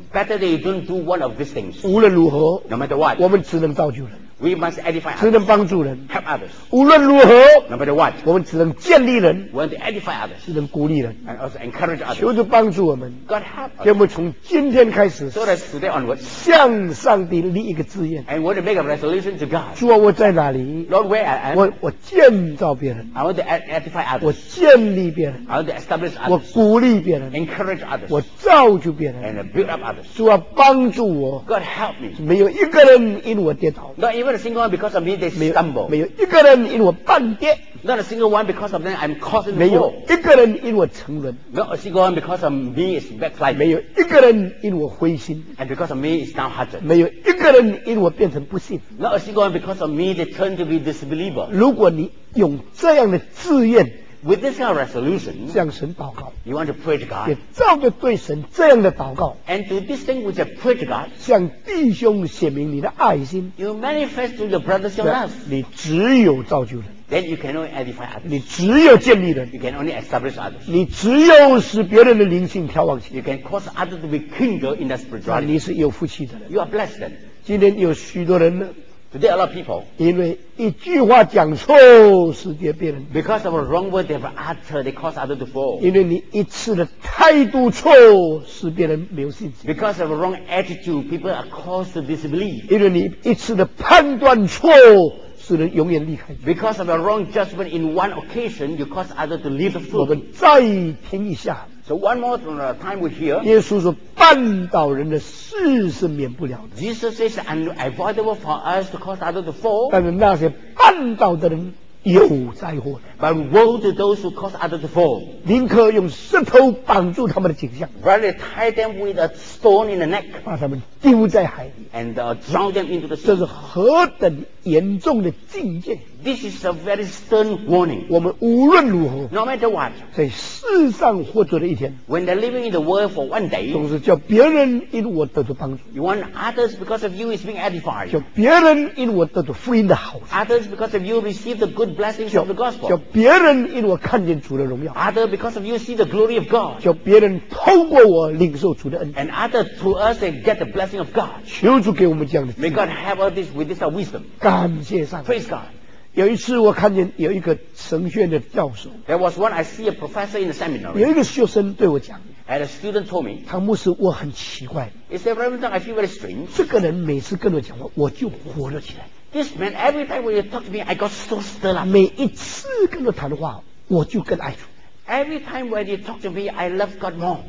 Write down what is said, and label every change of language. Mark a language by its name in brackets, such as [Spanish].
[English] Better that you don't do one of these things. [Chinese] 无论如何， [English] no matter what, [Chinese] 我们只能造就人。 [English] We must edify others. [Chinese] 只能帮助人。 [English] Help others. [Chinese] 无论如何， [English] no matter what, [Chinese] 我们只能建立人。 [English] We want to edify others. [Chinese] 只能鼓励人。 [English] And also encourage others. [Chinese] 求主帮助我们。 [English] God help us. [Chinese] 给我们从今天开始， [English] so that today onwards, [Chinese] 向上帝立一个志愿。 [English] And we want to make a resolution to God. [Chinese] 主啊，我在哪里？ [English] Lord, where I am? [Chinese] 我建造别人。 [English] I want to edify others. [Chinese] 我建立别人。 [English] I want to establish others. [Chinese] 我鼓励别人。 [English] Encourage others. [Chinese] 我造就别人。 [English] And build up others. [Chinese] 主啊，帮助我。 [English] God help me. [Chinese] 没有一个人因我跌倒。 [English] Not even a single one because of me they stumble. [Chinese] 没有一个人因我半跌。 [English] Not a single one because of them I'm causing fall. [Chinese] 没有一个人因我沉沦。 [English] Not a single one because of me is backsliding. [Chinese] 没有一个人因我灰心。 [English] And because of me is downhearted. [Chinese] 没有一个人因我变成不信。 [English] Not a single one because of me they turn to be disbeliever. [Chinese] 如果你用这样的志愿， [English] with this kind of resolution, [Chinese] 向神祷告， [English] you want to pray to God. [Chinese] 也照着对神这样的祷告， [English] and to this thing which I pray to God, [Chinese] 向弟兄显明你的爱心， [English] you manifest to your brothers your love. [Chinese] 你只有造就人， [English] then you can only edify others. [Chinese] 你只有建立人， [English] you can only establish others. [Chinese] 你只有使别人的灵性眺望起， [English] you can cause others to be kindled in their spirituality. [Chinese] 你是有福气的人， [English] you are blessed then. [Chinese] 今天有许多人呢， [English] today a lot of people, [Chinese] 因为一句话讲错使得别人， [English] because of a wrong word they have uttered, they cause others to fall. [Chinese] 因为你一次的态度错使别人没有信心， [English] because of a wrong attitude people are caused to disbelieve. [Chinese] 因为你一次的判断错使人永远离开， [English] because of a wrong judgment in one occasion you cause others to leave the fruit. [Chinese] 我们再听一下， [English] so one more time we hear. [Chinese] 耶稣说绊倒人的事是免不了的， [English] Jesus says unavoidable for us to cause others to fall. [Chinese] 但是那些绊倒的人有灾祸， [English] but woe to those who cause others to fall. [Chinese] 宁可用石头绑住他们的颈项， [English] rather tie them with a stone in the neck, [Chinese] 把他们丢在海里， [English] and drown them into the sea. [Chinese] 这是何等严重的境界， [English] this is a very stern warning. [Chinese] 我们无论如何， [English] no matter what, [Chinese] 在世上活着的一天， [English] when they're living in the world for one day, [Chinese] 总是叫别人因我得到帮助， [English] you want others because of you is being edified, [Chinese] 叫别人因我得到福音的好处， [English] others because of you receive the good blessings of the gospel. [Chinese] 叫别人因我看见主的荣耀。 [English] Other because of you see the glory of God. [Chinese] 叫别人透过我领受主的恩。 [English] And other through us they get the blessing of God. [Chinese] 求主给我们这样的。 [English] May God have all this with this wisdom. [Chinese] 感谢上帝。 [English] Praise God. [Chinese] 有一次我看见有一个神学院的教授 [English] There was one I see a professor in the seminary [Chinese] 有一个学生对我讲 [English] And a student told me [Chinese] 他牧师我很奇怪 [English] He said every time I feel very strange [Chinese] 这个人每次跟我讲话我就活了起来 [English] This man every time when you talk to me I got so stirred up [Chinese] 每一次跟他谈话我就更爱主 [English] Every time when you talk to me I love God more